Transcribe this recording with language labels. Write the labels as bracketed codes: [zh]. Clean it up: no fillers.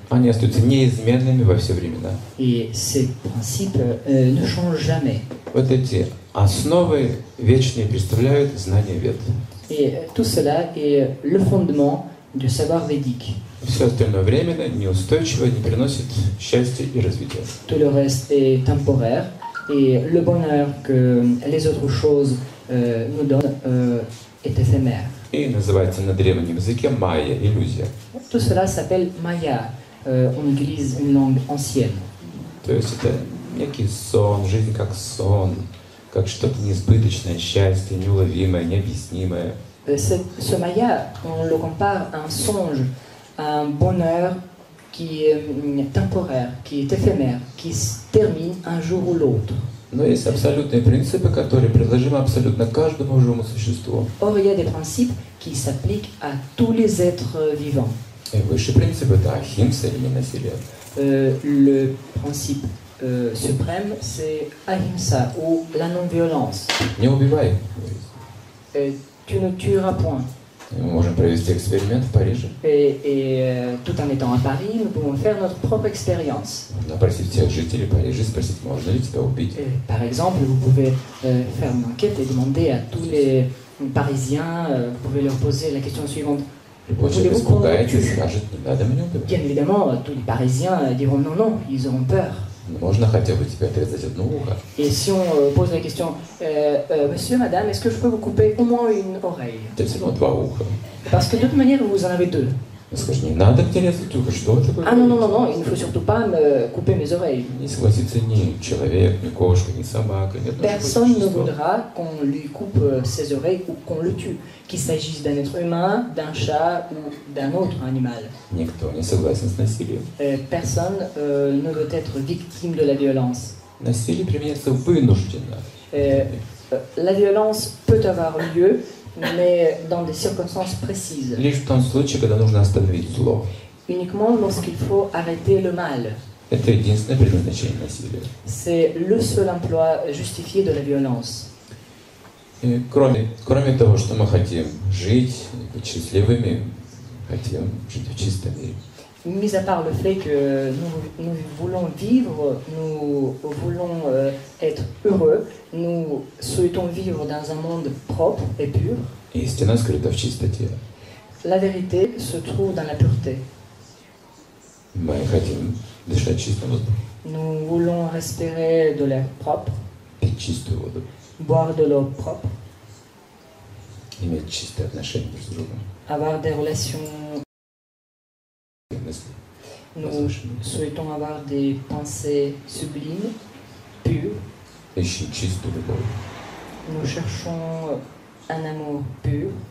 [ru] Они остаются неизменными во все времена. [fr] Et ces principes ne changent jamais. [ru] Вот эти основы вечные представляют знание вед. [fr] Et tout cela est le fondement du savoir védique. [ru] все остальное временно, неустойчиво, не приносит счастья и развития. [fr] Tout le reste est temporaire et le bonheur que les autres choses nous donnent est éphémère. [ru] И называется на древнем языке майя, иллюзия. [fr] Tout cela s'appelle майя, on utilise une langue ancienne. [ru] То есть это некий сон, жизнь как сон, как что-то несбыточное, счастье, неуловимое, необъяснимое. [fr] Ce майя, on le compare à un songe, un bonheur qui est temporaire, qui est éphémère, qui se termine un jour ou l'autre. [ru] Но есть абсолютные принципы, которые приложимы абсолютно каждому живому существу. [fr] Or, il y a des principes qui s'appliquent à tous les êtres vivants. [ru] Et высший принцип это ахимса или ненасилие. [fr] Le principe suprême c'est ahimsa ou la non-violence. [ru] Не убивай. [fr] Tu ne tueras point. [ru] Мы можем провести эксперимент в Париже. [fr] Tout en étant à Paris, nous pouvons faire notre propre expérience. [ru] Напросить всех жителей Парижа, спросить, можно ли тебя убить. [fr] Par exemple, vous pouvez faire une enquête et demander à tous les Parisiens, vous pouvez leur poser la question suivante. Voulez-vous qu'on le tue? Bien évidemment, tous les Parisiens diront non, non, ils auront peur. [ru] Можно хотя бы тебе отрезать одно ухо. [fr] Et si on pose la question, monsieur, madame, est-ce que je peux vous couper au moins une oreille? T'as seulement [ru] два уха. [fr] Parce que de toute manière, vous en avez deux. [ru] Скажи, не надо мне резать ухо, что это? [fr] Ah non, non, non, non, il ne faut surtout pas me couper mes oreilles. [ru] Не согласится ни человек, ни кошка, ни собака, ни одно. [fr] Personne ne voudra qu'on lui coupe ses oreilles ou qu'on le tue, qu'il s'agisse d'un être humain, d'un chat ou d'un autre animal. [ru] Никто не согласен с насилием. [fr] Personne ne veut être victime de la violence. [ru] Насилие применяется вынужденно. [fr] La violence peut avoir lieu, mais dans des circonstances précises. [ru] Лишь в том случае, когда нужно остановить зло. [fr] Uniquement lorsqu'il faut arrêter le mal. [ru] Это единственное предназначение насилия. [fr] C'est le seul emploi justifié de la violence. [ru] И кроме того, что мы хотим жить, быть счастливыми, хотим жить в чистом мире. [fr] Mis à part le fait que nous voulons vivre, nous voulons être heureux, nous souhaitons vivre dans un monde propre et pur. [ru] Истина скрыта в чистоте. [fr] La vérité se trouve dans la pureté. [ru] Мы хотим дышать чистым воздухом. [fr] Nous voulons respirer de l'air propre. [ru] Пить чистую воду. [fr] Boire de l'eau propre. [ru] Иметь чистые отношения друг с другом. [fr] Avoir des relations. Nous souhaitons avoir des pensées sublimes, pures. Nous cherchons un amour pur.